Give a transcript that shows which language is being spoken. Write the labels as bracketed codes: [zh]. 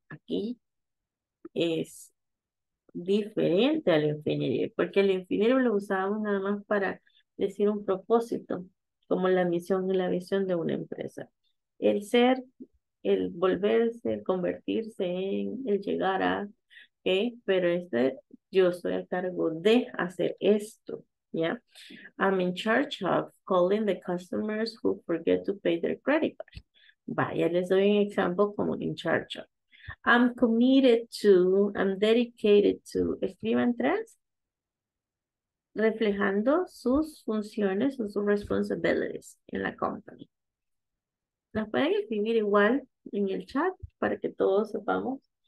[es] Aquí es diferente al infinitive, porque el infinitive lo usábamos nada más para decir un propósito, como la misión y la visión de una empresa. El ser, el volverse, el convertirse en, el llegar a. Okay, pero este, yo estoy a cargo de hacer esto, ¿ya? [en] Yeah? I'm in charge of calling the customers who forget to pay their credit card. [es] Vaya, les doy un ejemplo como in charge of. I'm committed to, I'm dedicated to, escriban tres, reflejando sus funciones o sus responsibilities en la company. Las pueden escribir igual en el chat para que todos sepamos.